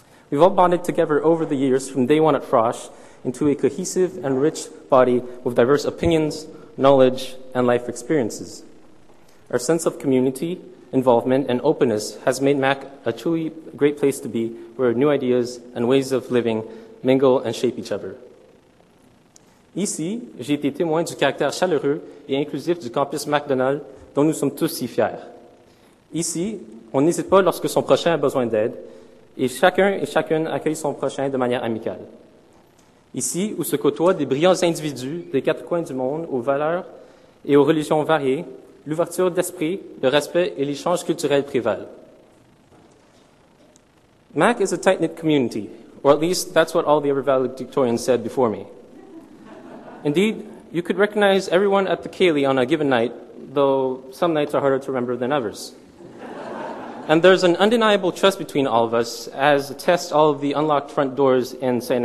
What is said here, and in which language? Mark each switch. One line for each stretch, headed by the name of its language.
English: We've all bonded together over the years from day one at Frosch into a cohesive and rich body with diverse opinions, knowledge, and life experiences. Our sense of community, involvement, and openness has made Mac a truly great place to be, where new ideas and ways of living mingle and shape each other.
French: Ici, j'ai été témoin du caractère chaleureux et inclusif du campus McDonald dont nous sommes tous si fiers. Ici, on n'hésite pas lorsque son prochain a besoin d'aide, et chacun et chacune accueille son prochain de manière amicale. Ici, où se côtoient des brillants individus des quatre coins du monde aux valeurs et aux religions variées, l'ouverture d'esprit, le respect et l'échange culturel prévalent.
English: Mac is a tight-knit community, or at least that's what all the other valedictorians said before me. Indeed, you could recognize everyone at the Cayley on a given night, though some nights are harder to remember than others. And there's an undeniable trust between all of us, as attest all of the unlocked front doors in St.